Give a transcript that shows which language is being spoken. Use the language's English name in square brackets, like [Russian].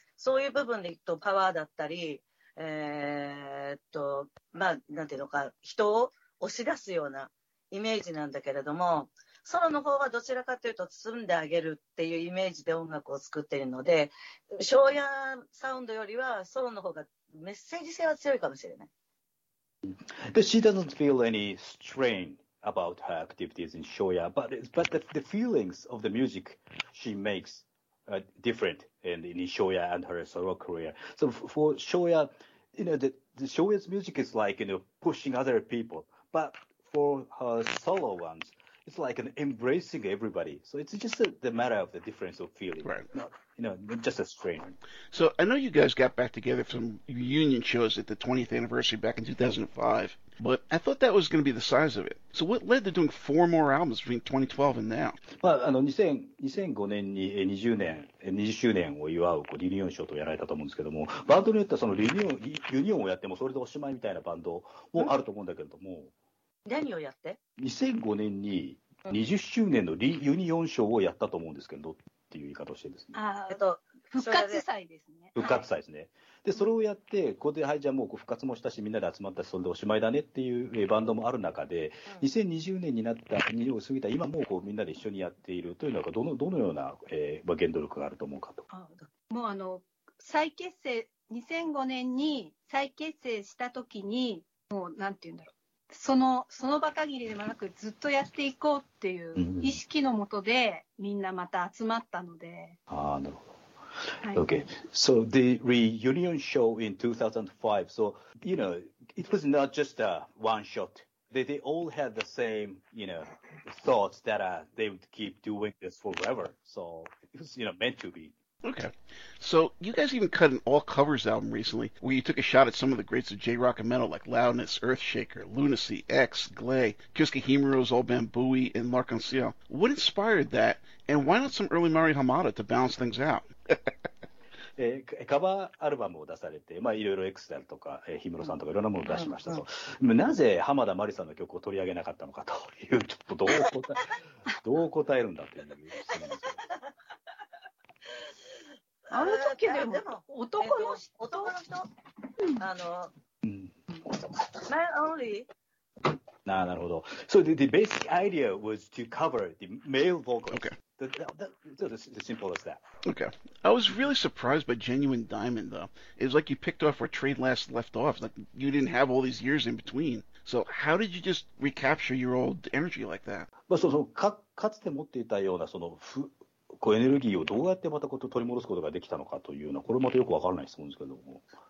[Japanese] そういう部分でいくとパワーだったり、まあ、なんていうのか、人を押し出すようなイメージなんだけれども、ソロの方はどちらかというと包んであげるっていうイメージで音楽を作っているので、ショーヤーサウンドよりはソロの方がメッセージ性は強いかもしれない。 [English] She doesn't feel any strain about her activities in Shoya, but the feelings of the music she makes. Different in Shoya and her solo career. So for Shoya, the Shoya's music is like, pushing other people. But for her solo ones, it's like embracing everybody. So it's just the matter of the difference of feeling. Right. Not just a strain. So I know you guys got back together from reunion shows at the 20th anniversary back in 2005. But I thought that was going to be the size of it. So what led to doing 4 more albums between 2012 and now? [Japanese] まあ、2005年に20周年を祝うリニューアルショーとやられたと思うんですけども、バンドによってはそのユニオンをやってもそれでおしまいみたいなバンドもあると思うんだけども。何をやって？2005年に20周年のユニオンショーをやったと思うんですけど、っていう言い方をしてですね。あ、復活祭ですね。復活祭ですね。で、それをやって、ここで、はい、じゃあもう復活もしたし、みんなで集まったし、それでおしまいだねっていうバンドもある中で、2020年になった、2年を過ぎた、今もうこうみんなで一緒にやっているというのが、どのような、原動力があると思うかと。もう再結成、2005年に再結成したときに、もうなんていうんだろう、その場限りではなく、ずっとやっていこうっていう意識のもとで、みんなまた集まったので。ああ、なるほど。 [English] Okay, so the reunion show in 2005, so, you know, it was not just a one shot. They all had the same, you know, thoughts that they would keep doing this forever. So it was, you know, meant to be. Okay. So you guys even cut an all covers album recently where you took a shot at some of the greats of J-Rock and metal like Loudness, Earthshaker, Lunacy, X, Glay, Kiska Himuro's Old Bambooey, and Mark on Seal. What inspired that? And why not some early Mari Hamada to balance things out? [Japanese] カバーアルバムを出されて、まあ、いろいろ X だとか、氷室さんとかいろんなものを出しましたと、うん、なぜ濱田麻里さんの曲を取り上げなかったのかというちょっとどう答えるんだという質問です。あの時でも男の人、 [English] Man Only。 [Japanese] なるほど。 [English] So the basic idea was to cover the male vocals. Okay The simple as that. Okay. I was really surprised by Genuine Diamond, though. It was like you picked off where Trade Last left off. Like, you didn't have all these years in between. So how did you just recapture your old energy like that? [Japanese] まあ、そうそう、かつて持っていたようなそのこうエネルギーをどうやってまたこう取り戻すことができたのかというのは、これまたよくわからない質問ですけども。